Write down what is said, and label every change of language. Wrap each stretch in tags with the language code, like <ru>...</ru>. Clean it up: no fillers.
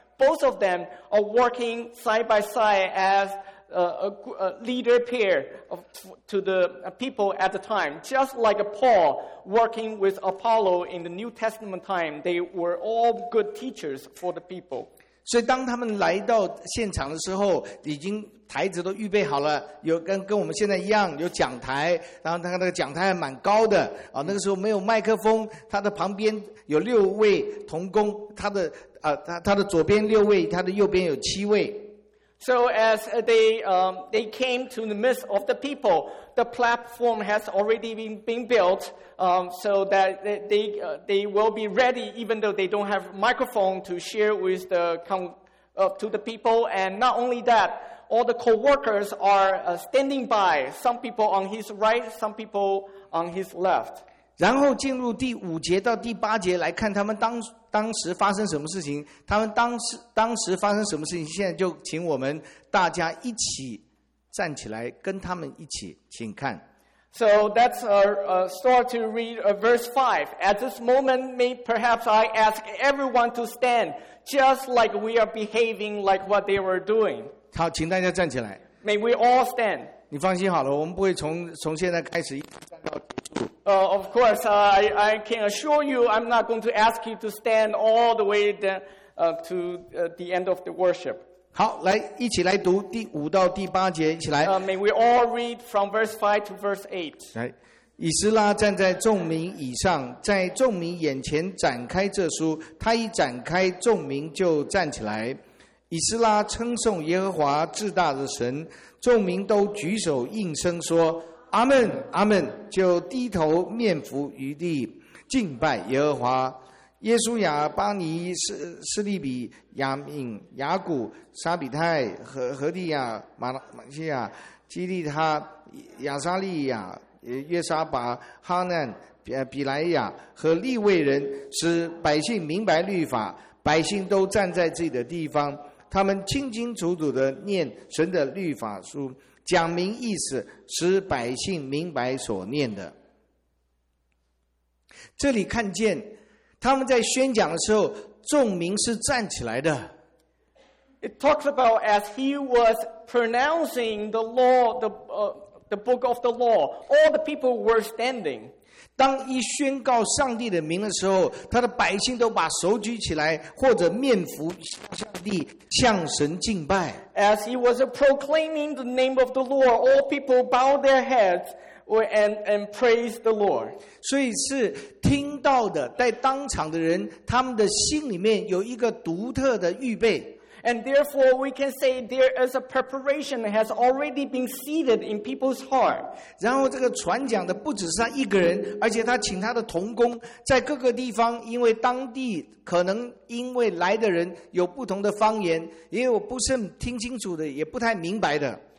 <en>Both of them are working side by side asa leader pair to the people at the time, just like Paul working with Apollo in the New Testament time. They were all good teachers for the people.</en> <zh>所以当他们来到现场的时候，已经台子都预备好了，有跟我们现在一样有讲台，然后他那个讲台还蛮高的啊。那个时候没有麦克风，他的旁边有六位同工，他的左边六位，他的右边有七位。</zh> <en>So as they came to the midst of the people, the platform has already been built, so that they will be ready, even though they don't have microphone to share with the to the people. And not only that, all the co-workers are standing by. Some people on his right, some people on his left.</en> <zh>然后进入第五节到第八节来看他们当时发生什么事情，他们当时发生什么事情，现在就请我们大家一起站起来跟他们一起请看。</zh> <en>So that's start to read verse 5. At this moment, may perhaps I ask everyone to stand, just like we are behaving like what they were doing.</en> <zh>好，请大家站起来。</zh> <en>May we all stand.</en> <zh>你放心好了，我们不会从现在开始站到结束。</zh> <en>Of course, I can assure you, I'm not going to ask you to stand all the way to the end of the worship.</en> <zh>好，来一起来读第五到第八节，一起来。</zh> <en>May we all read from verse 5 to verse 8.</en> <zh>来，以斯拉站在众民以上，在众民眼前展开这书，他一展开，众民就站起来。以斯拉称颂耶和华至大的神，众民都举手应声说。阿们阿们，就低头面伏于地敬拜耶和华。耶稣亚巴尼斯利比亚敏亚古沙比泰何地亚马西亚基利他亚沙利亚约沙巴哈难比莱亚和利未人，使百姓明白律法，百姓都站在自己的地方，他们清清楚楚地念神的律法书，讲明意思，使百姓明白所念的。这里看见他们在宣讲的时候，众民是站起来的。</zh> <en>It talks about as he was pronouncing the law, the book of the law, all the people were standing.</en> <zh>当一宣告上帝的名的时候，他的百姓都把手举起来，或者面伏上帝，向神敬拜。</zh> <en>As he was proclaiming the name of the Lord, all people bowed their heads and praised the Lord.</en> <zh>所以是听到的，在当场的人，他们的心里面有一个独特的预备。</zh> <en>And therefore, we can say there is a preparation that has already been seated in people's heart.</en> <zh>然后这个传讲的不只是他一个人，而且他请他的同工在各个地方，因为当地可能因为来的人有不同的方言，也有不甚听清楚的，也不太明白的。</zh>